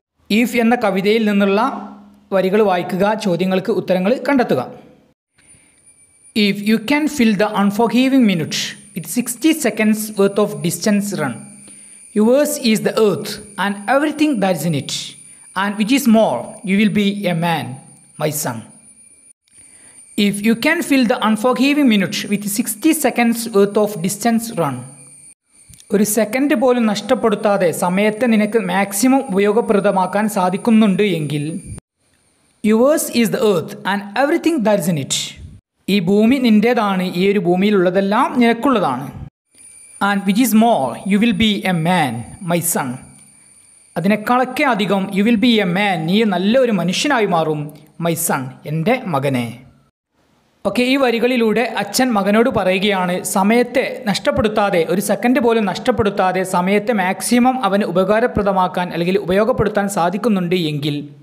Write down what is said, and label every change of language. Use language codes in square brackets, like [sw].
[ml] If എന്ന കവിതയിൽ നിന്നുള്ള വരികൾ വായിക്കുക, ചോദ്യങ്ങൾക്ക് ഉത്തരങ്ങൾ കണ്ടെത്തുക. [en] If you can fill the unforgiving minute with 60 seconds worth of distance run. Yours is the earth and everything that is in it. and which is more, you will be a man, my son. If you can fill the unforgiving minute with 60 seconds worth of distance run, [ml] ഒരു second പോലും നഷ്ടപ്പെടുത്താതെ സമയത്തെ നിനക്ക് maximum ഉപയോഗപ്രദമാക്കാൻ സാധിക്കുന്നുണ്ട് എങ്കിൽ [en] yours is the earth and everything that is in it [ml] ഈ ഭൂമി നിൻ്റേതാണ് ഈ ഒരു ഭൂമിയിലുള്ളതെല്ലാം നിനക്കുള്ളതാണ് [en] and which is more you will be a man my son [ml] അതിനേക്കാളൊക്കെ അധികം [en] you will be a man [ml] നീ നല്ലൊരു മനുഷ്യനായി മാറും മൈ സൺ എൻ്റെ മകനെ ഓക്കെ ഈ വരികളിലൂടെ അച്ഛൻ മകനോട് പറയുകയാണ് സമയത്തെ നഷ്ടപ്പെടുത്താതെ ഒരു സെക്കൻഡ് പോലും നഷ്ടപ്പെടുത്താതെ സമയത്തെ മാക്സിമം അവന് ഉപകാരപ്രദമാക്കാൻ അല്ലെങ്കിൽ ഉപയോഗപ്പെടുത്താൻ സാധിക്കുന്നുണ്ട് എങ്കിൽ